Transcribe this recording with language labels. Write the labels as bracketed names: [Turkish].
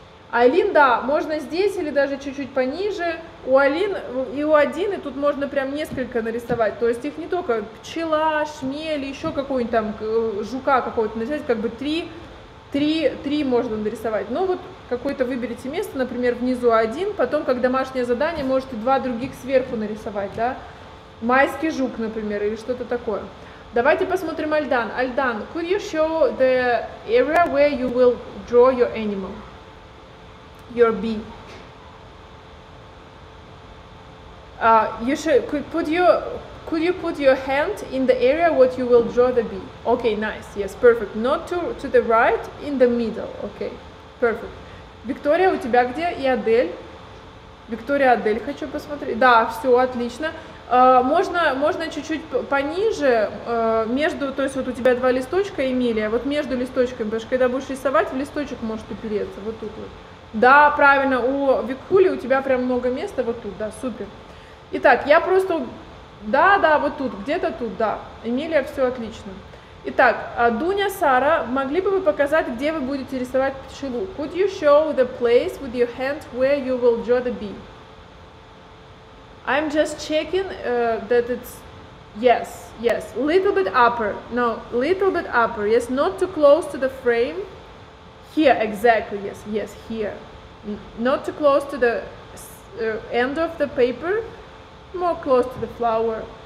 [Russian] Айлин, да, можно здесь или даже чуть-чуть пониже. У Айлин и у Адины тут можно прям несколько нарисовать. То есть их не только пчела, шмель, еще какой-нибудь там жука какого-то нарисовать. Как бы три можно нарисовать. Но вот какое-то выберите место, например, внизу один. Потом, как домашнее задание, можете два других сверху нарисовать, да. Майский жук, например, или что-то такое. Давайте посмотрим Альдан. [English] Альдан, could you show the area where you will draw your animal? Your bee. You should could you put your hand in the area what you will draw the bee. Okay, nice. Yes, perfect. Not to the right, in the middle. Okay, perfect. [Russian] Виктория, у тебя где? И Адель. Виктория, Адель, хочу посмотреть. Да, все отлично. Можно чуть-чуть пониже, между, то есть вот у тебя два листочка, Эмилия, вот между листочками, потому что когда будешь рисовать, в листочек может упереться, вот тут вот. Да, правильно, у Викхули у тебя прям много места, вот тут, да, супер. Итак, я просто, да, вот тут, где-то тут, да, Эмилия, все отлично. Итак, Дуня, Сара, могли бы вы показать, где вы будете рисовать пчелу? [English] Could you show the place with your hand where you will draw the bee? I'm just checking that it's, yes, yes, little bit upper, no, little bit upper, yes, not too close to the frame. Here, exactly, yes, yes, here. Not too close to the end of the paper, more close to the flower.